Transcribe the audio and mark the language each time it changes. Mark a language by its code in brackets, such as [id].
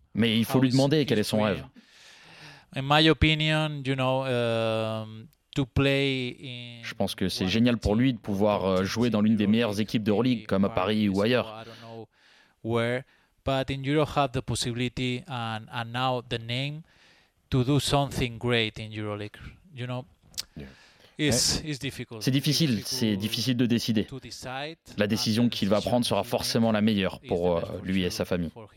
[fr] Mais il faut lui demander quel est son rêve. [en] In my opinion, you know. To play in, [fr] je pense que c'est génial pour lui de pouvoir jouer dans l'une des meilleures équipes d'Euroleague, comme à Paris ou ailleurs. [en] But in Europe, have the possibility and now the name to do something great in Euroleague. You know, it's difficult. [fr] C'est difficile. C'est difficile de décider. La décision qu'il va prendre sera forcément la meilleure pour lui et sa famille.